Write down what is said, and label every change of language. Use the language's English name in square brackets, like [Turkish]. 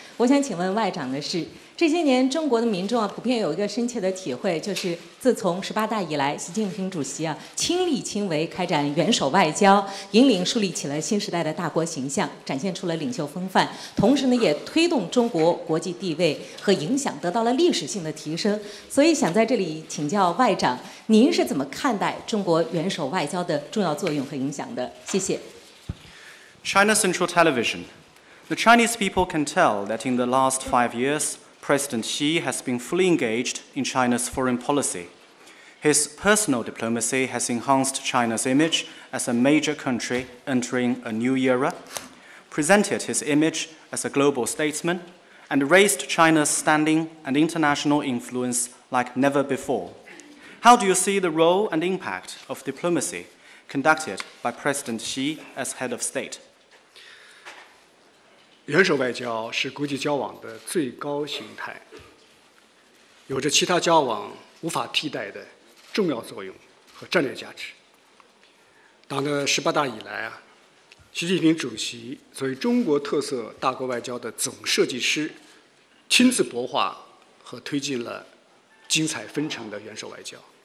[Chinese] 我想请问外长的是，这些年中国的民众啊，普遍有一个深切的体会，就是自从十八大以来，习近平主席啊亲力亲为开展元首外交，引领树立起了新时代的大国形象，展现出了领袖风范，同时呢也推动中国国际地位和影响得到了历史性的提升。所以想在这里请教外长，您是怎么看待中国元首外交的重要作用和影响的？谢谢。 [English] China Central Television. The Chinese people can tell that in the last 5 years,President Xi has been fully engaged in China's foreign policy. His personal diplomacy has enhanced China's image as a major country entering a new era, presented his image as a global statesman, and raised China's standing and international influence like never before. How do you see the role and impact of diplomacy conducted by President Xi as head of state? [Chinese] 元首外交是国际交往的最高形态，有着其他交往无法替代的重要作用和战略价值。党的十八大以来啊，习近平主席作为中国特色大国外交的总设计师，亲自擘画和推进了精彩纷呈的元首外交。